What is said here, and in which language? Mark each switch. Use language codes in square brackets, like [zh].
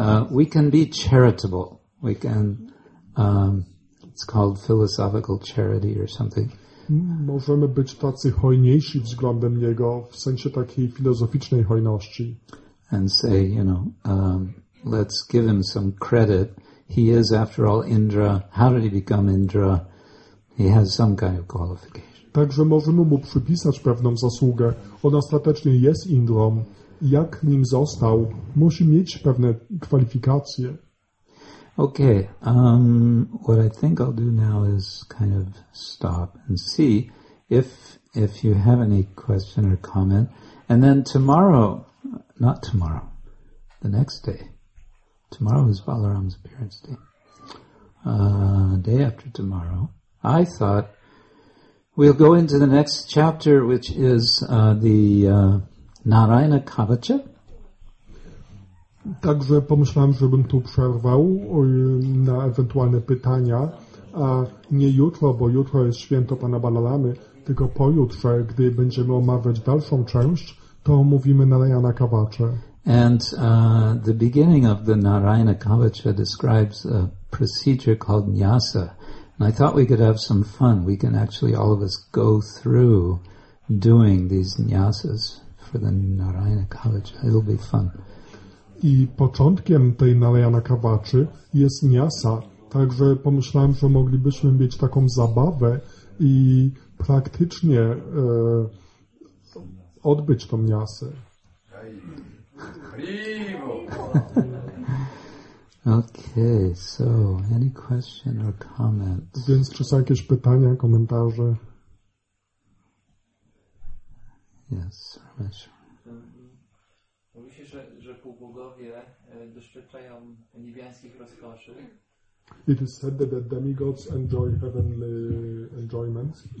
[en] We can be charitable. We can, it's called philosophical charity or something. [pl] Możemy być tacy hojniejsi względem Niego, w sensie takiej filozoficznej hojności. [en] And say, you know, let's give Him some credit. He is, after all, Indra. How did He become Indra? He has some kind of qualification. [pl] Także możemy mu przypisać pewną zasługę. On ostatecznie jest Indrą. Jak nim został, musi mieć pewne kwalifikacje. [en] Okay. What I think I'll do now is kind of stop and see if you have any question or comment. And then tomorrow, not tomorrow, the next day. Tomorrow is Balaram's appearance day. Day after tomorrow, I thought we'll go into the next chapter, which is Narayana Kavacha. [pl] Także pomyślałem, żebym tu przerwał na ewentualne pytania, a nie jutro, bo jutro jest święto Pana Balaramy, tylko pojutrze, gdy będziemy omawiać dalszą część, to omówimy Narayana Kavacha. [en] And the beginning of the Narayana Kavacha describes a procedure called Nyasa. And I thought we could have some fun. We can actually all of us go through doing these nyasas for the Narayana Kavacha. It'll be fun. [pl] I początkiem tej Narayana Kavachy jest nyasa. Także pomyślałem, że moglibyśmy mieć taką zabawę i praktycznie odbyć tą nyasę. [en] Okay, so any question or comment? [pl] Więc czy są jakieś pytania, komentarze? [en] Yes, Ramesh. [pl] Mówi się, że półbogowie doświadczają niebiańskich rozkoszy. [en] It is said that the demigods enjoy heavenly enjoyments.